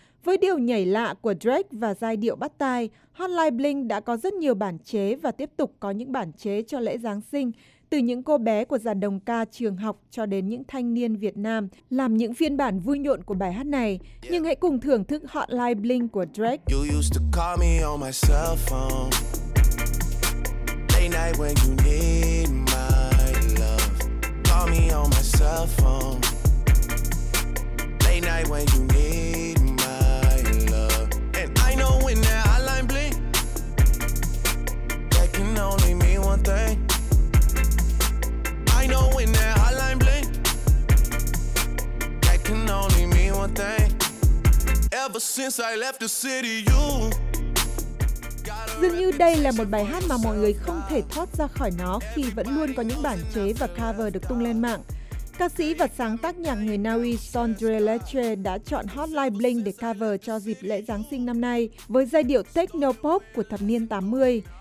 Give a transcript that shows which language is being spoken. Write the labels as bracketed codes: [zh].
[vi] Với điều nhảy lạ của Drake và giai điệu bắt tai, Hotline Bling đã có rất nhiều bản chế và tiếp tục có những bản chế cho lễ Giáng sinh, từ những cô bé của dàn đồng ca trường học cho đến những thanh niên Việt Nam làm những phiên bản vui nhộn của bài hát này. Nhưng hãy cùng thưởng thức Hotline Bling của Drake. [en] You used to call me on my cell phone. Late night when you need my love. Call me on my cell phone. Late night when you need my love. And I know when that hotline bling, that can only mean one thing. I know when that hotline bling, that can only mean one thing. Ever since I left the city, you. [vi] Dường như đây là một bài hát mà mọi người không thể thoát ra khỏi nó khi vẫn luôn có những bản chế và cover được tung lên mạng. Ca sĩ và sáng tác nhạc người Na Uy Sondre Lerche đã chọn Hotline Bling để cover cho dịp lễ Giáng sinh năm nay với giai điệu techno pop của thập niên 80.